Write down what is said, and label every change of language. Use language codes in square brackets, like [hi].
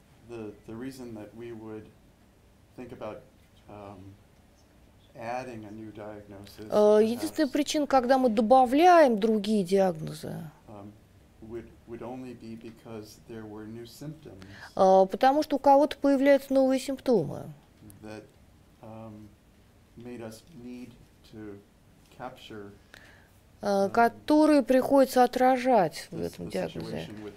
[en] The reason that we would think about adding a new diagnosis. [ru] Единственная причина, когда мы добавляем другие диагнозы. [en] Would only be because there were new symptoms. [ru] Потому что у кого-то появляются новые симптомы. [en] That made us need to capture. [ru] Которые приходится отражать в этом диагнозе.